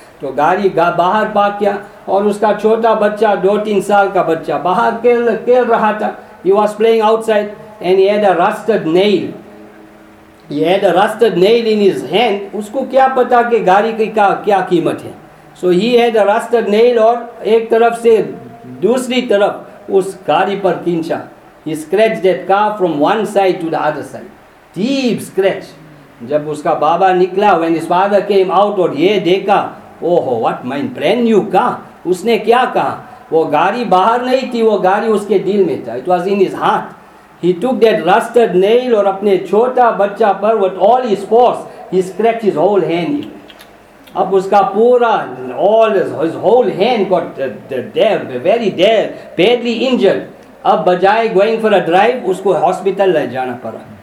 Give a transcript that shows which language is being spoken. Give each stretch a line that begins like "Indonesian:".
Hindi: तो गाड़ी बाहर पार्क किया और उसका छोटा बच्चा 2-3 साल का बच्चा बाहर खेल रहा था,
English: he was playing outside and he had a rusted nail,
Hindi: ये the rusted nail in his hand, उसको क्या पता कि गाड़ी की क्या कीमत है, सो he had a rusted nail और एक तरफ से दूसरी तरफ उस गाड़ी पर खींचा,
English: He scratch that car from one side to the other side, deep scratch.
Hindi: जब उसका बाबा निकला,
English: when his father came out
Hindi: और ये देखा, ओहो what mine brand new car, उसने क्या कहा, वो गाड़ी बाहर नहीं थी, वो गाड़ी उसके दिल में था,
English: It was in his heart. He took that rusted nail
Hindi: और अपने छोटा बच्चा पर
English: with all his force, he scratched his whole hand. अब उसका पूरा all his whole hand got very badly injured.
Hindi: अब बजाय
English: going for a drive,
Hindi: उसको hospital ले जाना पड़ा.